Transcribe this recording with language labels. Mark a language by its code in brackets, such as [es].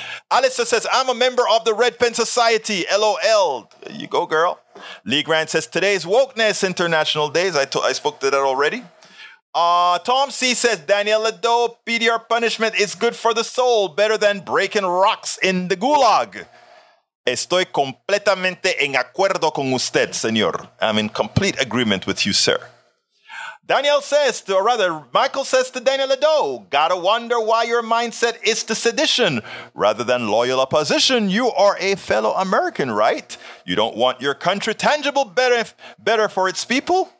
[en] Alistair says, I'm a member of the Red Pen Society. LOL. There you go, girl. Lee Grant says, today's Wokeness International Days. I spoke to that already. Tom C says, Daniel Lado, PDR punishment is good for the soul. Better than breaking rocks in the gulag. [es] Estoy completamente en acuerdo con usted, señor. [en] I'm in complete agreement with you, sir. Daniel says, Michael says to Daniel Lado, gotta wonder why your mindset is to sedition rather than loyal opposition. You are a fellow American, right? You don't want your country tangible better for its people?